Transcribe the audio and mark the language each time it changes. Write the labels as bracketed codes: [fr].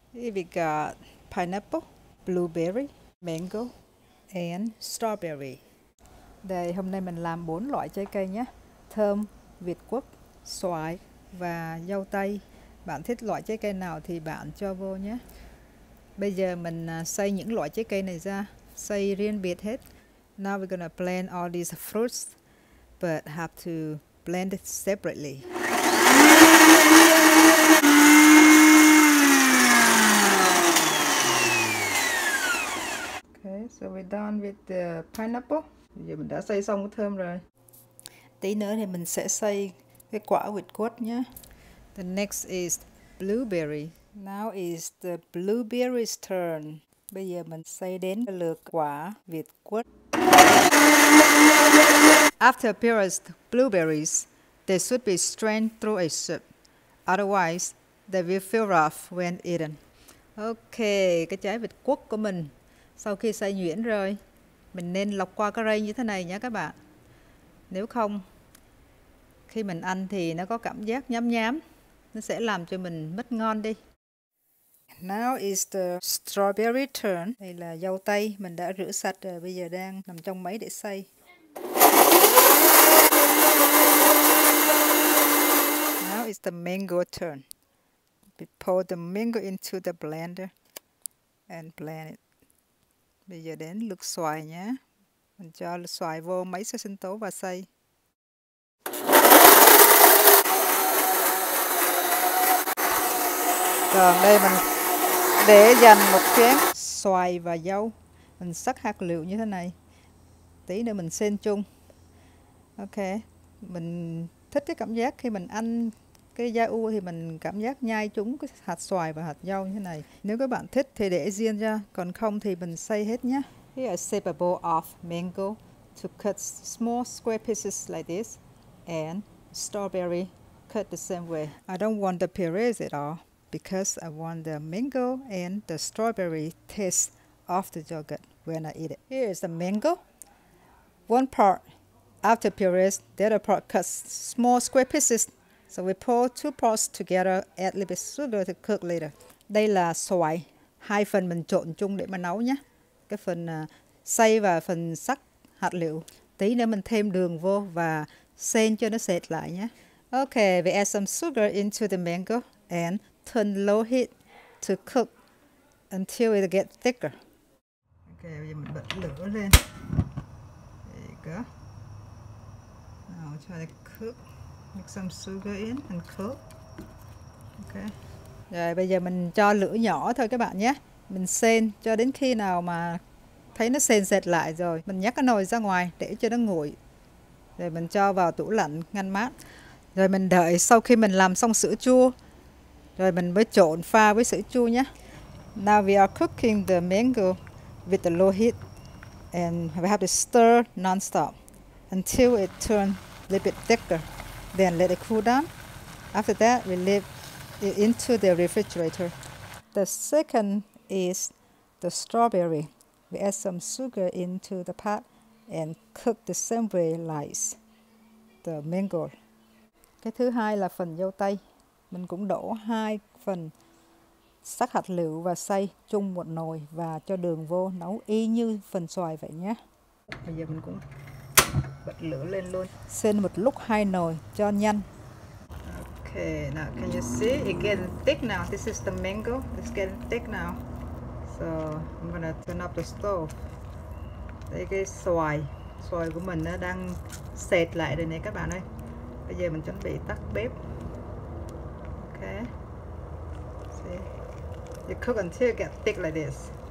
[en] We got pineapple, blueberry, mango, and strawberry. [vi] Đây, hôm nay mình làm bốn loại trái cây nhé. Thơm, việt quất, xoài và dâu tây. Bạn thích loại trái cây nào thì bạn cho vô nhé. Bây giờ mình xay những loại trái cây này ra, xay riêng biệt hết. [en] Now we're gonna blend all these fruits, but have to blend it separately. Okay, so we're done with the pineapple. [vi] Bây giờ mình đã xay xong cái thơm rồi. Tí nữa thì mình sẽ xay cái quả việt quất nhé. [en] The next is blueberry. Now is the blueberry's turn. [vi] Bây giờ mình xay đến lượt quả việt quất. [en] After appearance, blueberries, they should be strained through a sieve. Otherwise, they will feel rough when eaten. [vi] Ok, cái trái việt quất của mình sau khi xay nhuyễn rồi, mình nên lọc qua cái rây như thế này nhé các bạn. Nếu không, khi mình ăn thì nó có cảm giác nhám nhám, nó sẽ làm cho mình mất ngon đi. [en] Now is the strawberry turn. [vi] Đây là dâu tây mình đã rửa sạch rồi, bây giờ đang nằm trong máy để xay. [en] Now is the mango turn. We pour the mango into the blender and blend it. [vi] Bây giờ đến lượt xoài nhé. Mình cho xoài vô máy xay sinh tố và xay. Còn đây mình để dành một chén xoài và dâu. Mình xắt hạt lựu như thế này. Tí nữa mình xên chung. Ok, mình thích cái cảm giác khi mình ăn cái da u thì mình cảm giác nhai chúng cái hạt xoài và hạt dâu như thế này. Nếu các bạn thích thì để riêng ra, còn không thì mình xay hết nhé. [en] Here I save a bowl of mango to cut small square pieces like this and strawberry cut the same way. I don't want the purees at all, because I want the mango and the strawberry taste of the yogurt when I eat it. Here is the mango. One part after purees, the other part cuts small square pieces. So we pour two parts together, add a little bit sugar to cook later. [vi] Đây là xoài. Hai phần mình trộn chung để mà nấu nhé. Cái phần xay và phần sắc hạt lựu. Tí nữa mình thêm đường vô và xên cho nó sệt lại nhé. [en] Okay, we add some sugar into the mango and turn low heat to cook until it gets thicker. [vi] Ok, bây giờ mình bật lửa lên. [en] There you go. Now try to cook. Mix some sugar in and cook. Ok. [vi] Rồi bây giờ mình cho lửa nhỏ thôi các bạn nhé. Mình xên cho đến khi nào mà thấy nó sền sệt lại rồi. Mình nhấc cái nồi ra ngoài để cho nó nguội. Rồi mình cho vào tủ lạnh ngăn mát. Rồi mình đợi sau khi mình làm xong sữa chua. Rồi mình mới trộn pha với sữa chua nhé. [en] Now we are cooking the mango with the low heat and we have to stir non-stop until it turns a little bit thicker. Then let it cool down. After that, we leave it into the refrigerator. The second is the strawberry. We add some sugar into the pot and cook the same way like the mango. [vi] Cái thứ hai là phần dâu tây. Mình cũng đổ hai phần sắc hạt lựu và xay chung một nồi và cho đường vô nấu y như phần xoài vậy nhé. Bây giờ mình cũng bật lửa lên luôn. Xên một lúc hai nồi cho nhanh. [en] Okay, now can you see it getting thick now? This is the mango. It's getting thick now. So I'm gonna turn up the stove. [vi] Đây cái xoài, xoài của mình nó đang sệt lại rồi này các bạn ơi. Bây giờ mình chuẩn bị tắt bếp. [en] Okay. See, you cook until it gets thick like this.